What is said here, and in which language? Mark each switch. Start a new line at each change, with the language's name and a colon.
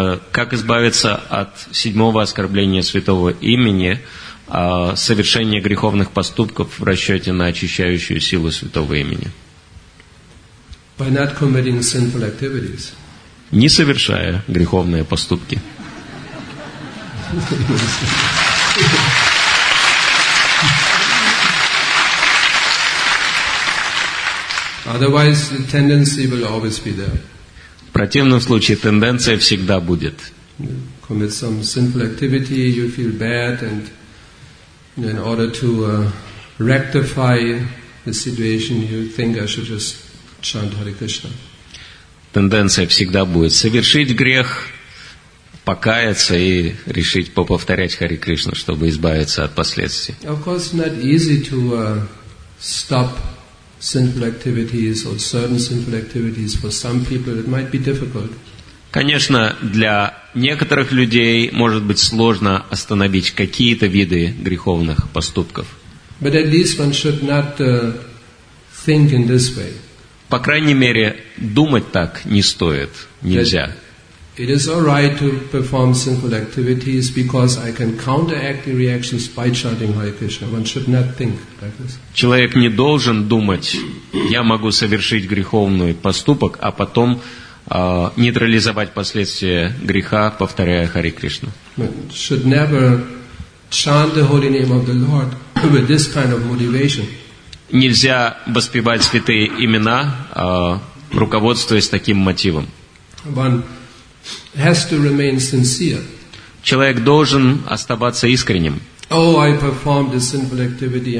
Russian: Как избавиться от седьмого оскорбления святого имени, совершения греховных поступков в расчете на очищающую силу святого имени?
English: By not committing sinful activities.
Russian: Не совершая греховные поступки.
English: Otherwise, the tendency will always be there.
Russian: В противном случае тенденция всегда будет.
English: Commit some sinful activity, you feel bad, and in order to rectify the situation, you think I should just chant Hare Krishna.
Russian: Тенденция всегда будет совершить грех, покаяться и решить поповторять Хари Кришну, чтобы избавиться от последствий.
English: Of course, it's not easy to stop sinful activities or certain sinful activities for some people. It might be difficult.
Russian: Конечно, для некоторых людей может быть сложно остановить какие-то виды греховных поступков.
English: But at least one should not think in this way.
Russian: По крайней мере, думать так не стоит, нельзя.
English: It is all right to perform sinful activities because I can counteract the reactions by chanting Hare Krishna. One should not think like this.
Russian: Человек не должен думать, я могу совершить греховный поступок, а потом нейтрализовать последствия греха, повторяя Хари Кришну.
English: Should never chant the holy name of the Lord with this kind of motivation.
Russian: Нельзя воспевать святые имена, руководствуясь таким мотивом.
English: One has to remain sincere.
Russian: Человек должен оставаться искренним.
English: Oh, I performed a sinful activity.